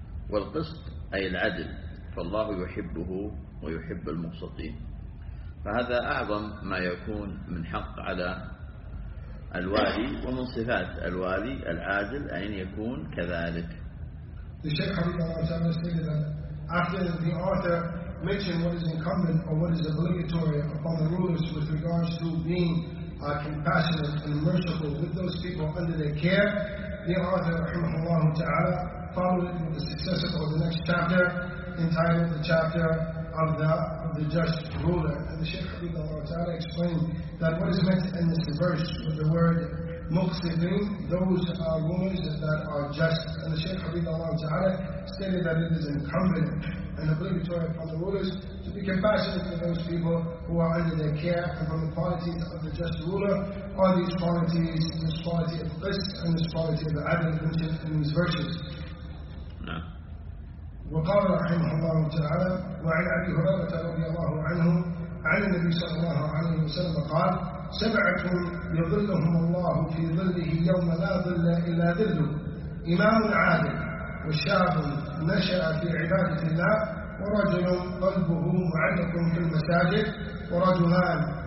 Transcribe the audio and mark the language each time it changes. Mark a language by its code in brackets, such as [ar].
[ar] والقسط أي العدل، فالله يحبه ويحب المقسطين، فهذا أعظم ما يكون من حق على الوالي، ومن صفات الوالي العادل أن يكون كذلك. الشيخ حبيب الله تعالى [en] stated that after the author mentioned what is incumbent or what is obligatory upon the rulers with regards to being compassionate and merciful with those people under their care, the author, rahimahullah ta'ala, followed it with the successor of the next chapter, entitled the chapter of the just ruler. And the Shaykh Habibullah ta'ala explained that what is meant in this verse with the word muqsitin, those are rulers that are just. And the Shaykh Habibullah ta'ala stated that it is incumbent and obligatory upon the rulers to be compassionate to those people who are under their care. And from the qualities of the just ruler are these qualities, this quality of qist and this quality of adl mentioned in these verses. [ar] وقال رحمه الله تعالى وعن أبي هريرة رضي الله عنه عن النبي صلى الله عليه وسلم قال: سبعة يظلهم الله في ظله يوم لا ظل إلا ظله: إمام عادل، وشاب نشأ في عبادة الله، ورجل قلبه معلق في المساجد، ورجلان